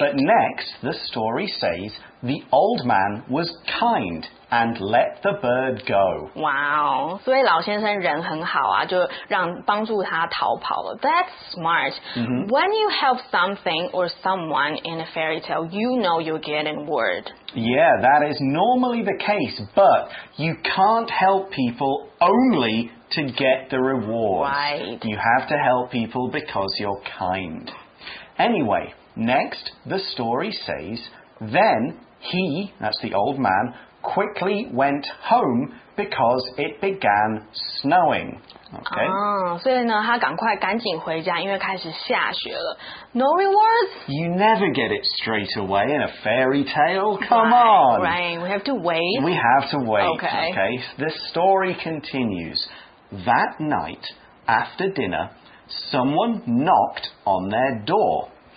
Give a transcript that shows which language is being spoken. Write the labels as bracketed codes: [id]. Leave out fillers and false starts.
[en] But next, the story says the old man was kind and let the bird go. Wow. [zh] 所以老先生人很好啊就让帮助他逃跑了。 [en] That's smart.、 Mm-hmm. When you help something or someone in a fairy tale, you know you're getting word. Yeah, that is normally the case. But you can't help people only... to get the rewards. Right. You have to help people because you're kind. Anyway, next, the story says, then he, that's the old man, quickly went home because it began snowing. Okay. [zh] 所以呢，他赶紧回家，因为开始下雪了。 [en] No rewards? You never get it straight away in a fairy tale. Come on. Right. We have to wait. We have to wait. Okay. Okay. The story continues. That night, after dinner, someone knocked on their door.